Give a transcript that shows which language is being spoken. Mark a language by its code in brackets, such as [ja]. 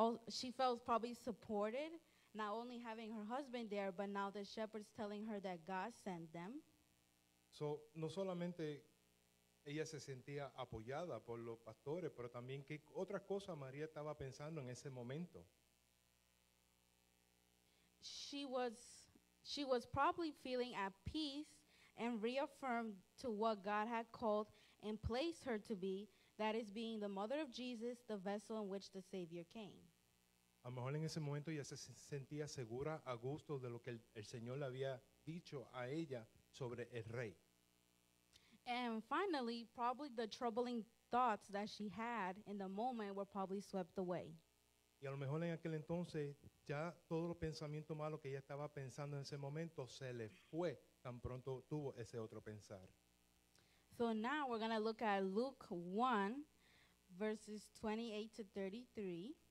[en] She felt probably supported, not only having her husband there, but now the shepherds telling her that God sent them. [es] So, no solamente ella se sentía apoyada por los pastores, pero también qué otras cosas María estaba pensando en ese momento. [en] She was probably feeling at peace and reaffirmed to what God had called and placed her to be, that is being the mother of Jesus, the vessel in which the Savior came. [es] A lo mejor en ese momento ya se sentía segura, a gusto de lo que el Señor le había dicho a ella sobre el Rey. [en] And finally, probably the troubling thoughts that she had in the moment were probably swept away. [es] Y a lo mejor en aquel entonces ya todo el pensamiento malo que ella estaba pensando en ese momento se le fue tan pronto tuvo ese otro pensar. [en] So now we're going to look at Luke 1, verses 28 to 33.